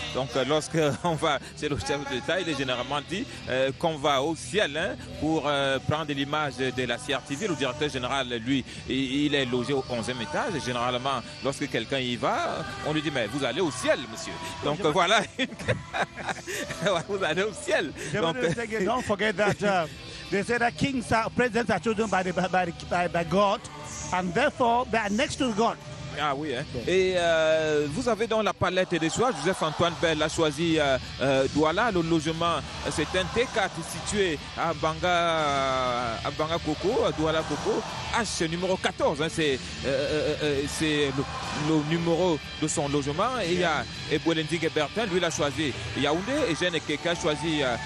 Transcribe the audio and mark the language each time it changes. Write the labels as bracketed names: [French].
[French] Donc lorsqu'on va chez le chef de l'État, il est généralement dit qu'on va au ciel hein, pour prendre l'image de la CRTV. Le directeur général, lui, il est logé au 11e étage. Généralement, lorsque quelqu'un y va, on lui dit, mais vous allez au ciel, monsieur. Donc voilà, vous allez au ciel. [English] Don't forget that they say that kings are presidents are chosen by God, and therefore they are next to God. [French] Ah oui, hein. Et vous avez donc la palette des choix. Joseph Antoine Bell a choisi Douala. Le logement, c'est un T4 situé à Banga Koko, à Douala Koko, H numéro 14. Hein, c'est le numéro de son logement. Et il y a Ebouelendig et Bertin. Lui, il a choisi Yaoundé. Et Jeanne Keke a choisi